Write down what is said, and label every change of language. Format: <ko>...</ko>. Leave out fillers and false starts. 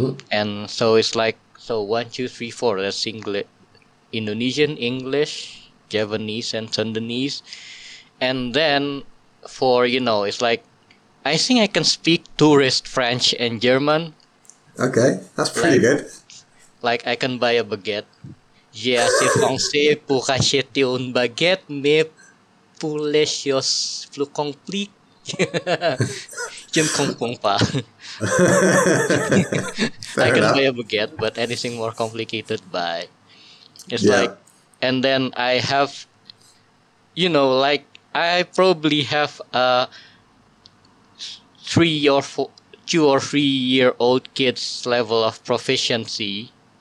<en>And so it's like, so 1, 2, 3, 4, that's Indonesian, English, Javanese, and Sundanese. And then for, you know, it's like, I think I can speak tourist French and German. Okay, that's pretty good. Like, I can buy a baguette.</en> <fr>Yeah, c'est français pour acheter une baguette, mais pour les choses plus compliquées, je ne comprends pas.</fr> <en>I can buy a baguette, but anything more complicated, buy. It's like, and then I have, you know, like, I probably have a 2 or 3 year old kid's level of proficiency.</en>